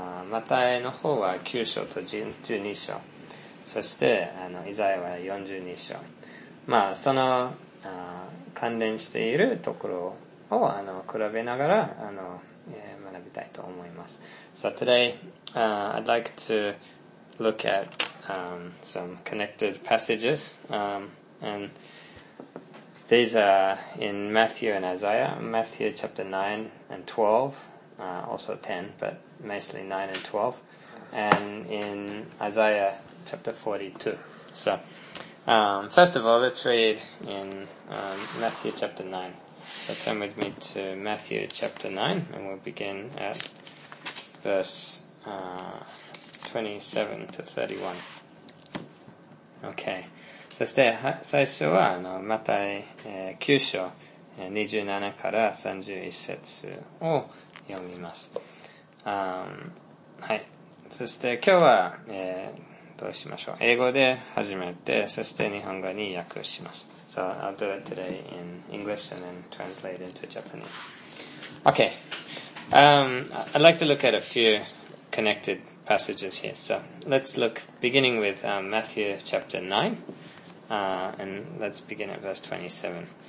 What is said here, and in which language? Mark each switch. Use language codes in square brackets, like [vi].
[ja] マタイの方は9章と12章。そして、イザヤは42章。まあ、その、関連しているところを比べながら学びたいと思います。 [en] So today, I'd like to look at some connected passages, and these are in Matthew and Isaiah, Matthew chapter 9 and 12, also 10, but mostly 9 and 12, and in Isaiah chapter 42. So, first of all, let's read in Matthew chapter 9. So turn with me to Matthew chapter 9, and we'll begin at verse 27 to 31. Okay. [ja] そして最初はマタイ9章27から31節を読みます。はい。そして今日は、どうしましょう。英語で始めて、そして日本語に訳します。 [en] So I'll do it today in English and then translate into Japanese. Okay. I'd like to look at a few connected passages here. So let's look beginning with Matthew chapter 9, and let's begin at verse 27.